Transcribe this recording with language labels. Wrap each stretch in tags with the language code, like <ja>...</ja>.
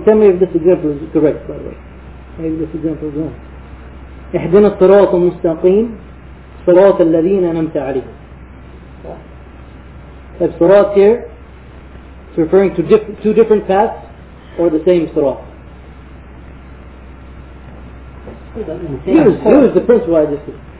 <en>Tell me if this example is correct, by the way. Maybe this example is wrong.</en> <ar>إحدنا الصراط المستقيم صراط الذين أنعمت عليهم.</ar> <en>That surat here is referring to two different paths or the same surat. Here is the principle I just said.</en>